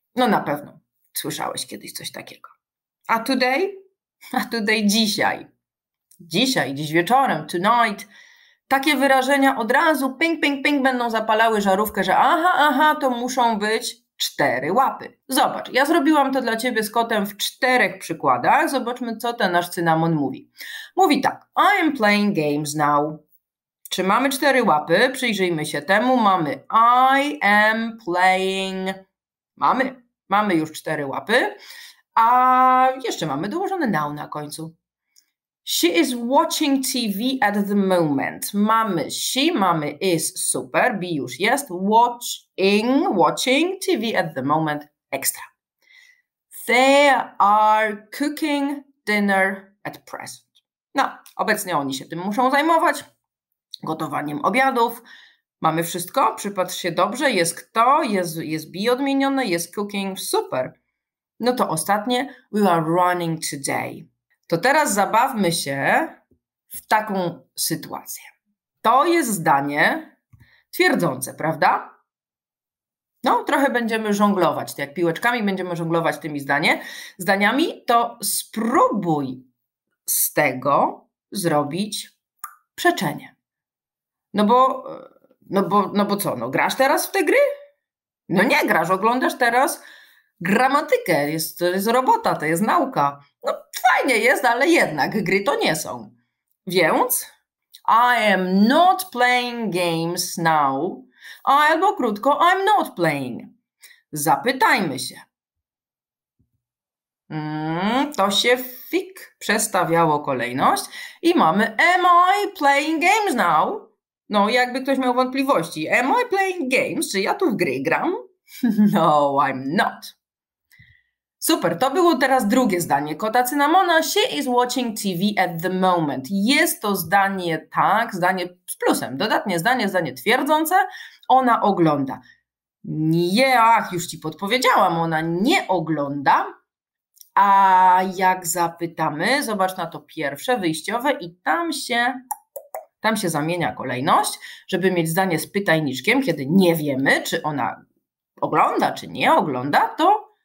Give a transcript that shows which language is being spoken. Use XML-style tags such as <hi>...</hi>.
<pl>No na pewno słyszałeś kiedyś coś takiego. A</pl> <en>today</en> <pl>dzisiaj. Dziś wieczorem,</pl> <en>tonight.</en> <pl>Takie wyrażenia od razu ping będą zapalały żarówkę, że aha, to muszą być cztery łapy. Zobacz, ja zrobiłam to dla ciebie z kotem w czterech przykładach. Zobaczmy, co ten nasz cynamon mówi. Mówi tak,</pl> <en>I am playing games now.</en> <pl>Czy mamy cztery łapy? Przyjrzyjmy się temu. Mamy</pl> <en>I am playing.</en> <pl>Mamy już cztery łapy. A jeszcze mamy dołożone now na końcu.</pl> <en>She is watching TV at the moment.</en> <pl>Mamy</pl> <en>she, mamy is,</en> <pl>super, be już jest,</pl> <en>watching TV at the moment,</en> <pl>ekstra.</pl> <en>They are cooking dinner at present.</en> <pl>No, obecnie oni się tym muszą zajmować, gotowaniem obiadów. Mamy wszystko, przypatrz się dobrze, jest kto, jest be odmienione, jest cooking, super. No to ostatnie,</pl> <en>we are running today.</en> <pl>To teraz zabawmy się w taką sytuację. To jest zdanie twierdzące, prawda? No, trochę będziemy żonglować, jak piłeczkami będziemy żonglować tymi zdaniami, to spróbuj z tego zrobić przeczenie. No bo co? No grasz teraz w te gry? No nie grasz, oglądasz teraz gramatykę, jest robota, to jest nauka. No fajnie jest, ale jednak gry to nie są. Więc</pl> <en>I am not playing games now.</en> <pl>Albo krótko,</pl> <en>I'm not playing.</en> <pl>Zapytajmy się. To się fik przestawiało kolejność i mamy</pl> <en>am I playing games now?</en> <pl>No jakby ktoś miał wątpliwości.</pl> <en>Am I playing games?</en> <pl>Czy ja tu w gry gram?</pl> <en>No, I'm not.</en> <pl>Super, to było teraz drugie zdanie kota Cynamona.</pl> <en>She is watching TV at the moment.</en> <pl>Jest to zdanie tak, zdanie z plusem, dodatnie zdanie twierdzące. Ona ogląda. Nie, ach, już ci podpowiedziałam, ona nie ogląda. A jak zapytamy, zobacz na to pierwsze, wyjściowe i tam się zamienia kolejność, żeby mieć zdanie z pytajniczkiem, kiedy nie wiemy, czy ona ogląda, czy nie ogląda, to</pl>